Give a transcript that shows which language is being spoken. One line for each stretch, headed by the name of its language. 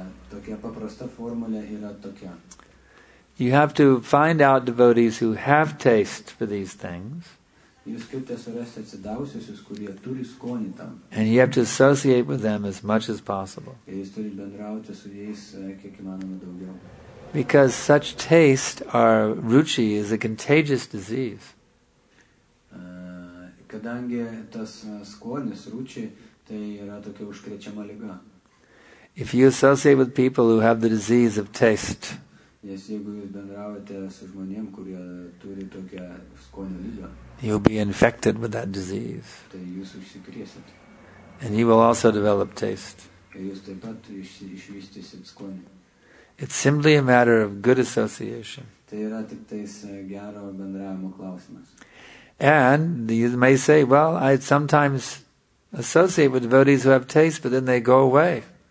Lithuanian: Tokia paprasta formulė yra tokia.
English: You have to find out devotees who have taste for these things.
Lithuanian: Jūs turite surasti atsidavusius, kurie turi skonį tam.
English: And you have to associate with them as much as possible.
Lithuanian: Jūs turite bendrauti su jais kiek įmanoma daugiau.
English: Because such taste or ruchi is a contagious disease.
Lithuanian: Kadangi tas skonis ruchi, tai yra tokia užkrečiama liga.
English: If you associate with people who have the disease of taste,
Lithuanian: yes, jeigu jūs bendraujate su žmonėm, kurie turi tokią skonio ligą,
English: you'll be infected with that disease.
Lithuanian: Tai jūs užsikrėsite.
English: And you will also develop taste.
Lithuanian: Ir jūs taip pat išvystysit skonį.
English: It's simply a matter of good association.
Lithuanian: Tai yra tik tais gero bendravimo klausimas.
English: And you may say, well, I sometimes associate with devotees who have taste, but then they go away.